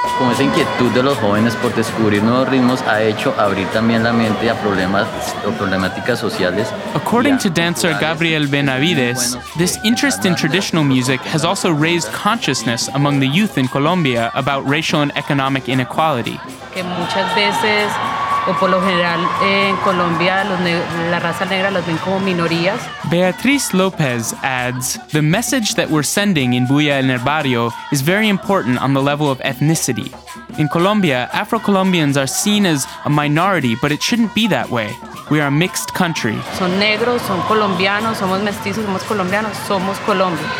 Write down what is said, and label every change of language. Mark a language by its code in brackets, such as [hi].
[es] Esa inquietud de los jóvenes por descubrir nuevos ritmos ha hecho abrir también la mente a problemas o problemáticas sociales. [en] According to dancer Gabriel Benavides, this interest in traditional music has also raised consciousness among the youth in Colombia about racial and economic inequality. [es] Que muchas veces, o por lo general en Colombia, la raza negra los ven como minorías. [en] Beatriz López adds, the message that we're sending in Buya en el Barrio is very important on the level of ethnicity. In Colombia, Afro-Colombians are seen as a minority, but it shouldn't be that way. We are a mixed country. [es] Son negros, son colombianos, somos mestizos, somos colombianos, somos Colombia.